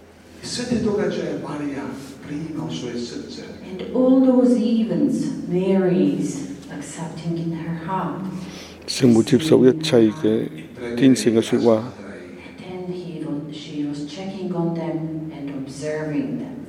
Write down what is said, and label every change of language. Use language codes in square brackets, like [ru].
[en] And all those events, Mary's accepting in her heart. [yue] 聖母接受一切嘅天使嘅説話。 [en] And then she was checking on them and observing them.